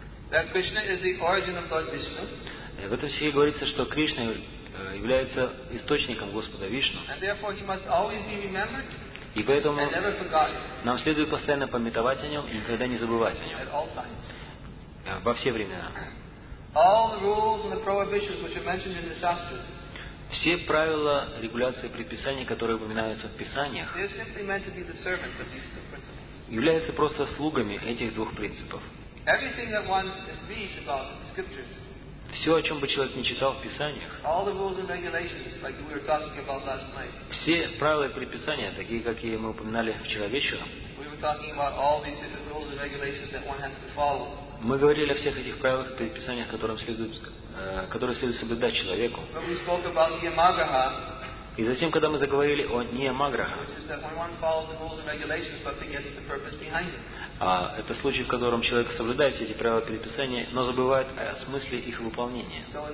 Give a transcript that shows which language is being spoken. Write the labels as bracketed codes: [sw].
[en] That Krishna is the origin of Lord Vishnu. [ru] В этом стихе говорится, что Кришна является источником Господа Вишну. [en] And therefore he must always be remembered. [ru] И поэтому нам следует постоянно памятовать о нем и никогда не забывать о нем. [en] At all times. [ru] Во все времена. [en] All the rules and the prohibitions which are mentioned in the Shastras. [ru] Все правила, регуляции и предписания, которые упоминаются в Писаниях, [en] they are simply meant to be the servants of these two principles. [ru] Являются просто слугами этих двух принципов. [en] Everything that one reads about the scriptures. [ru] Все, о чем бы человек не читал в Писаниях. [en] All the rules and regulations, like we were talking about last night. [ru] Все правила и предписания, такие, какие мы упоминали вчера вечером. [en] We were talking about all these different rules and regulations that one has to follow. [ru] Мы говорили о всех этих правилах и предписаниях, которые следует соблюдать человеку. [en] But we spoke about the Yamagraha. [ru] И затем, когда мы заговорили о Ниямаграха, это случай, в котором человек соблюдает все эти правила переписания, но забывает о смысле их выполнения.